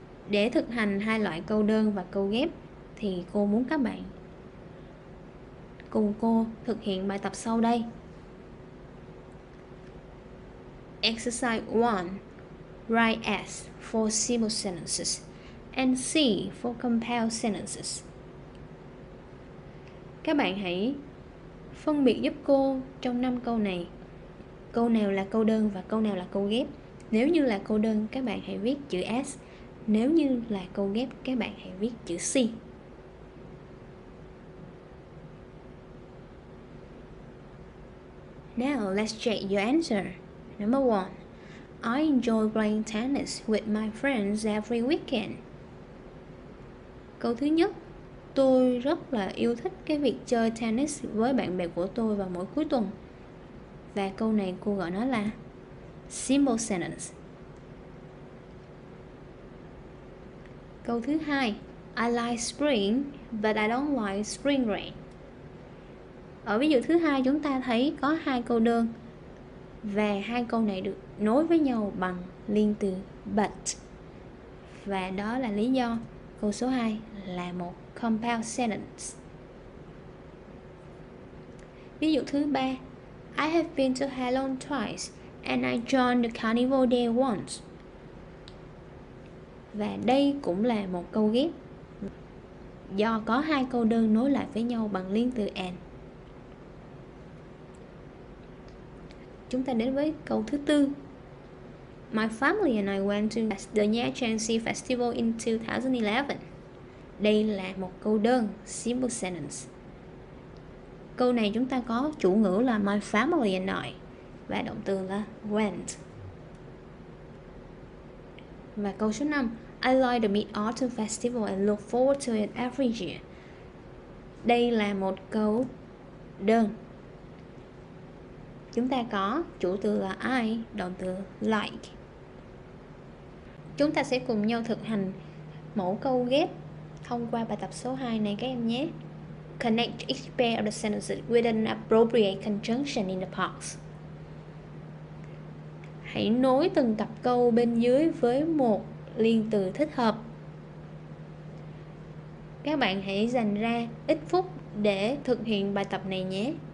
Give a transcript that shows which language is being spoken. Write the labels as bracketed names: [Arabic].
[Vietnamese] Để thực hành hai loại câu đơn và câu ghép thì cô muốn các bạn cùng cô thực hiện bài tập sau đây. [English] Exercise 1. Write S for simple sentences and C for compound sentences. [Vietnamese] Các bạn hãy phân biệt giúp cô trong 5 câu này, câu nào là câu đơn và câu nào là câu ghép. Nếu như là câu đơn, các bạn hãy viết chữ S. Nếu như là câu ghép, các bạn hãy viết chữ C. [English] Now let's check your answer. Number 1. I enjoy playing tennis with my friends every weekend. [Vietnamese] Câu thứ nhất, tôi rất là yêu thích cái việc chơi tennis với bạn bè của tôi vào mỗi cuối tuần. Và câu này cô gọi nó là simple sentence. Câu thứ hai, [English] I like spring but I don't like spring rain. [Vietnamese] Ở ví dụ thứ hai, chúng ta thấy có hai câu đơn và hai câu này được nối với nhau bằng liên từ but. Và đó là lý do câu số 2 là một compound sentence. Ví dụ thứ 3, [English] I have been to Hà Long twice and I joined the carnival there once. [Vietnamese] Và đây cũng là một câu ghép do có hai câu đơn nối lại với nhau bằng liên từ and. Chúng ta đến với câu thứ 4. [English] My family and I went to the Nha Trang Sea Festival in 2011. [Vietnamese] Đây là một câu đơn, simple sentence. Câu này chúng ta có chủ ngữ là [English] my family and I [Vietnamese] và động từ là went. Và câu số 5, [English] I like the Mid-Autumn Festival and look forward to it every year. [Vietnamese] Đây là một câu đơn. Chúng ta có chủ từ là I, động từ like. Chúng ta sẽ cùng nhau thực hành mẫu câu ghép thông qua bài tập số 2 này các em nhé. [English] Connect each pair of the sentences with an appropriate conjunction in the past. [Vietnamese] Hãy nối từng cặp câu bên dưới với một liên từ thích hợp. Các bạn hãy dành ra ít phút để thực hiện bài tập này nhé.